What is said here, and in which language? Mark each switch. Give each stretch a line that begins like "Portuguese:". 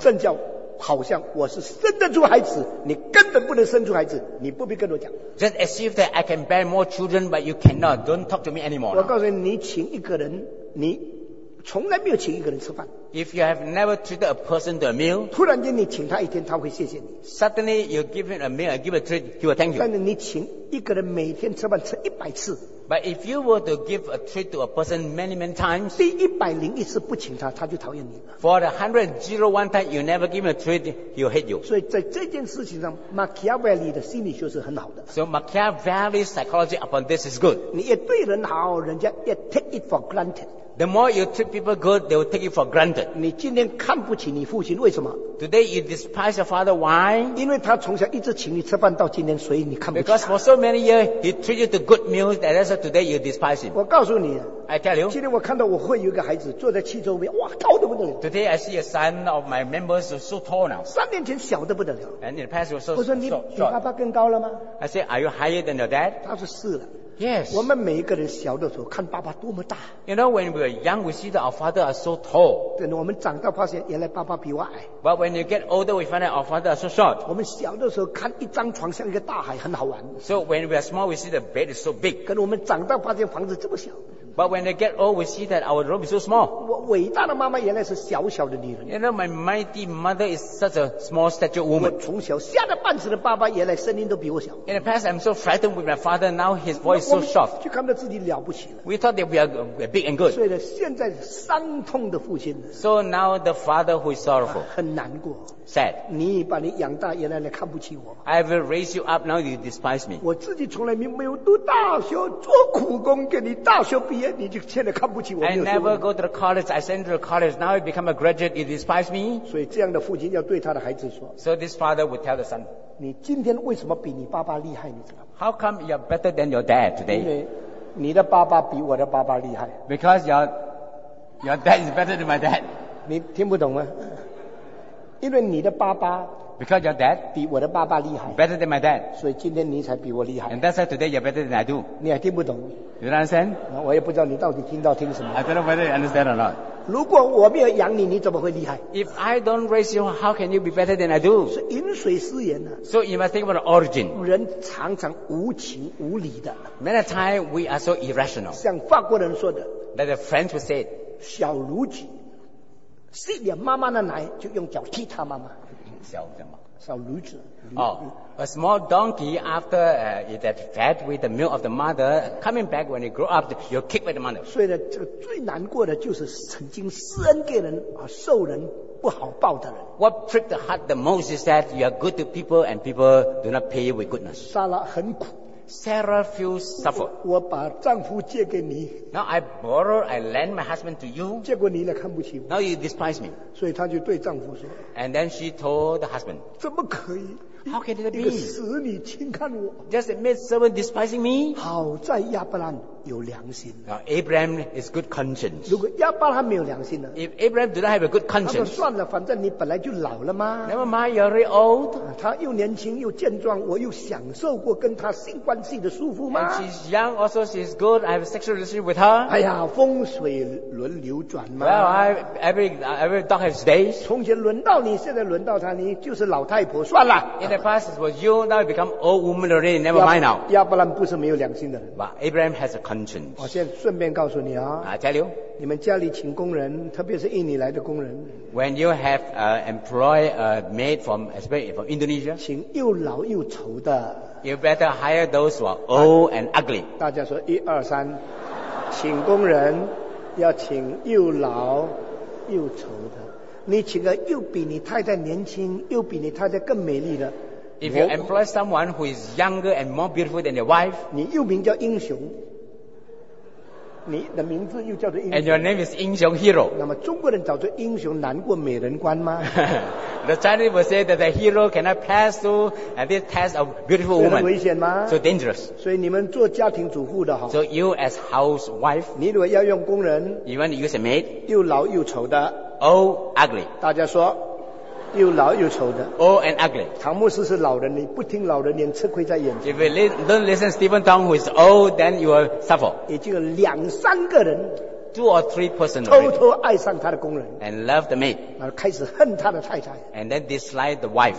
Chinese: 正教好像我是生得出孩子，你根本不能生出孩子，你不必跟我讲。
English: Just as if that I can bear more children, but you cannot. Don't talk to me anymore.
Chinese: 我告诉你，你请一个人，你从来没有请一个人吃饭。
English: If you have never treated a person to a meal,
Chinese: 突然间你请他一天，他会谢谢你。
English: Suddenly you give him a meal, I give a treat, he will thank you.
Chinese: 但是你请一个人每天吃饭吃一百次。
English: But if you were to give a treat to a person many, many times,
Chinese: 第一百零一次不请他，他就讨厌你了。
English: For the 101 time you never give him a treat, he will hate you.
Chinese: 所以在这件事情上 ，Machiavelli 的心理学是很好的。
English: So Machiavelli's psychology upon this is good.
Chinese: 你也对人好，人家也
English: take it for granted. The more you treat people good, they will take it for granted.
Chinese: 你今天看不起你父亲，为什么？
English: Today you despise your father. Why?
Chinese: 因为他从小一直请你吃饭到今天，所以你看不起他。
English: Because for so many years he treated you to good meals, and that's why today you despise him.
Chinese: 我告诉你，
English: I tell you.
Chinese: 今天我看到我会有一个孩子坐在汽车边，哇，高得不得了。
English: Today I see a son of my members who's so tall now.
Chinese: 三年前小得不得了。
English: And in the past he was so short.
Chinese: 我说你比爸爸更高了吗？
English: I say, are you higher than your dad?
Chinese: 他说是了。
English: Yes.
Chinese: 我们每一个人小的时候看爸爸多么大。
English: You know, when we were young, we see that our father are so tall.
Chinese: 等我们长大发现原来爸爸比我矮。
English: But when you get older, we find that our father are so short.
Chinese: 我们小的时候看一张床像一个大海，很好玩。
English: So when we are small, we see the bed is so big.
Chinese: 跟我们长大发现房子这么小。
English: But when they get old, we see that our room is so small.
Chinese: 我伟大的妈妈原来是小小的女人。
English: You know, my mighty mother is such a small stature woman.
Chinese: 我从小吓得半死的爸爸原来声音都比我小。
English: In the past, I'm so frightened with my father. Now his voice is so soft.
Chinese: 就看到自己了不起了。
English: We thought that we are big and good.
Chinese: 所以呢，现在伤痛的父亲。
English: So now the father who is sorrowful.
Chinese: 很难过。
English: Sad.
Chinese: 你把你养大，原来你看不起我。
English: I will raise you up. Now you despise me.
Chinese: 我自己从来没有读大学，做苦工给你大学毕业。你就现在看不起我。
English: I never go to the college. I sent to the college. Now you become a graduate. You despise me.
Chinese: 所以这样的父亲要对他的孩子说。
English: So this father would tell the son.
Chinese: 你今天为什么比你爸爸厉害？你知道吗
English: ？How come you are better than your dad today?
Chinese: 因为你的爸爸比我的爸爸厉害。
English: Because your dad is better than my dad.
Chinese: 你听不懂吗？因为你的爸爸。
English: Because your dad
Chinese: 比我的爸爸厉害
English: ，better than my dad，
Chinese: 所以今天你才比我厉害。
English: And that's why today you're better than I do。
Chinese: 你还听不懂
English: ？You understand？
Chinese: 我也不知道你到底听到听什么。
English: I don't know whether you understand or not。
Chinese: 如果我没有养你，你怎么会厉害
English: ？If I don't raise you, how can you be better than I do？
Chinese: 是饮水思源呢。
English: So you must think about the origin。
Chinese: 人常常无情无理的。
English: Many times we are so irrational。
Chinese: 像法国人说的
English: ，like the French would say，
Chinese: 小如己，吸点妈妈的奶就用脚踢他妈妈。小驴子。
English: Oh, a small donkey after it had fed with the milk of the mother, coming back when it grew up, you kick with the mother.
Chinese: 所以呢，这个最难过的就是曾经施恩给人而受人不好报的人。
English: What pricked the heart the most is that you are good to people and people do not pay you with goodness.
Chinese: 撒拉很苦。
English: Sarah feels suffer.
Chinese: 我把丈夫借给你。
English: Now I borrow, I lend my husband to you.
Chinese: 结果你呢看不起我。
English: Now you despise me.
Chinese: 所以她就对丈夫说。
English: And then she told the husband.
Chinese: 怎么可以？
English: How can it be?
Chinese: 一个使女轻看我。
English: Just a maid servant despising me?
Chinese: 好在亚伯兰有良心。
English: Now Abraham is good conscience.
Chinese: 如果亚伯兰没有良心呢？
English: If Abraham did not have a good conscience.
Chinese: 他说算了，反正你本来就老了嘛。
English: Never mind, you're already old.
Chinese: 他又年轻又健壮，我又享受过跟他性关系的束缚嘛。
English: And she's young, also she's good. I have a sexual relationship with her.
Chinese: 哎呀，风水轮流转嘛。
English: Well, every dog has days.
Chinese: 从前轮到你，现在轮到他，你就是老太婆，算了。
English: In the past it was you, now you become old woman already. Never mind now.
Chinese: 亚伯兰不是没有良心的。
English: But Abraham has a conscience.
Chinese: 我现在顺便告诉你啊。
English: I tell you.
Chinese: 你们家里请工人，特别是印尼来的工人。
English: When you have employ a maid from especially from Indonesia.
Chinese: 请又老又丑的。
English: You better hire those who are old and ugly.
Chinese: 大家说一二三，请工人要请又老又丑的。你请个又比你太太年轻又比你太太更美丽的。
English: If you employ someone who is younger and more beautiful than your wife,
Chinese: 你又名叫英雄，你的名字又叫做英雄。
English: And your name is 英雄 hero.
Chinese: 那么中国人找做英雄难过美人关吗？
English: The Chinese will say that the hero cannot pass through this test of beautiful woman.
Chinese: 危险吗？
English: So dangerous.
Chinese: 所以你们做家庭主妇的哈。
English: So you as housewife,
Chinese: 你如果要用工人，
English: you want to use a maid,
Chinese: 又老又丑的。
English: Old, ugly.
Chinese: 大家说，又老又丑的。
English: Old and ugly.
Chinese: 唐牧师是老人，你不听老人言，吃亏在眼前。
English: If you don't listen Stephen Tong, who is old, then you will suffer.
Chinese: 已经有两三个人。
English: two or three persons already, and love the maid,
Chinese: 开始恨他的太太,
English: and then dislike the wife.